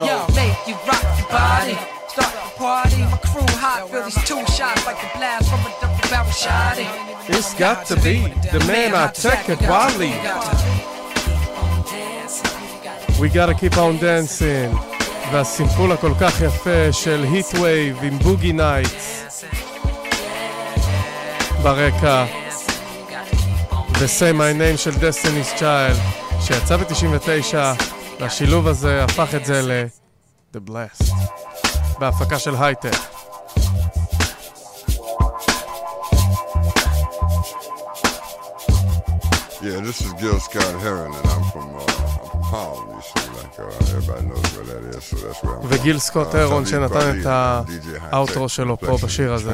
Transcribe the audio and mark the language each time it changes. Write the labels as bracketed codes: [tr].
[en] Yo, make you rock your body. start the party. My crew hot, feel these two shots like the blast from a double barrel shot. It's got to be the man I tech at Wally. We gotta keep on dancing. [he] והסימפול הכל כך יפה של Heat Wave עם Boogie Nights ברקע, ו-Say My Name של Destiny's Child שיצא ב-99, והשילוב הזה הפך את זה ל-The Blast בהפקה של הייטק. [en] Yeah, this is Gil Scott-Heron, and I'm from Harlem, you see, like, everybody knows where that is, so that's where I'm from. [he] וגיל סקוט-הרון שנתן את האוטרו שלו פה בשיר הזה.